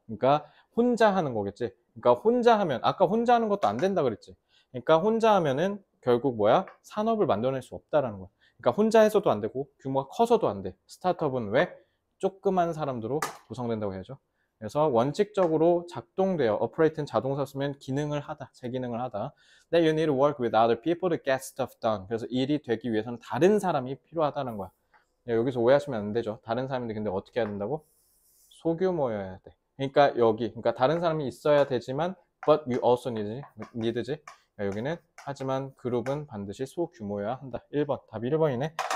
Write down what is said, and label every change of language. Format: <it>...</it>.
<ko>그러니까 혼자 하는 거겠지. 그러니까 혼자 하면, 아까 혼자 하는 것도 안 된다 그랬지. 그러니까 혼자 하면은 결국 뭐야? 산업을 만들어낼 수 없다라는 거야. 그러니까 혼자 해서도 안 되고 규모가 커서도 안 돼. 스타트업은 왜? 조그만 사람들로 구성된다고 해야죠. 그래서 원칙적으로 작동돼요. operate는 자동사 쓰면 기능을 하다, 재기능을 하다.</ko> <en>Then you need to work with other people to get stuff done.</en> <ko>그래서 일이 되기 위해서는 다른 사람이 필요하다는 거야. 여기서 오해하시면 안 되죠. 다른 사람인데 근데 어떻게 해야 된다고? 소규모여야 돼. 그러니까 여기, 그러니까 다른 사람이 있어야 되지만,</ko> <en>but you also need</en> <ko>지. 여기는 하지만 그룹은 반드시 소규모여야 한다. 1번, 답 1번이네.</ko>